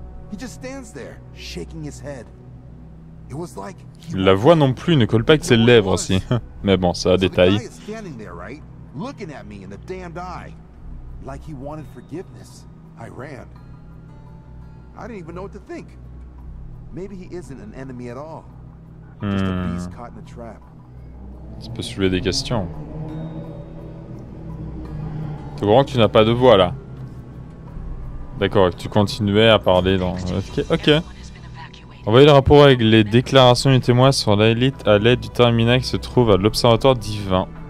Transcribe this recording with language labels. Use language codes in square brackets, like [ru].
[en] He just stands there, shaking his head. It was like. [fr] La voix non plus ne colle pas avec ses lèvres aussi. Mais bon, ça a détail. [en] Looking at me in the damned eye, like he wanted forgiveness. I ran. I didn't even know what to think. Maybe he isn't an enemy at all. Just a beast caught in a trap. [fr] Ça peut soulever des questions. T'es vraiment que tu n'as pas de voix là. D'accord, tu continuais à parler dans. Ok, ok. Envoyez le rapport avec les déclarations du témoin sur l'élite à l'aide du terminal qui se trouve à l'observatoire divin.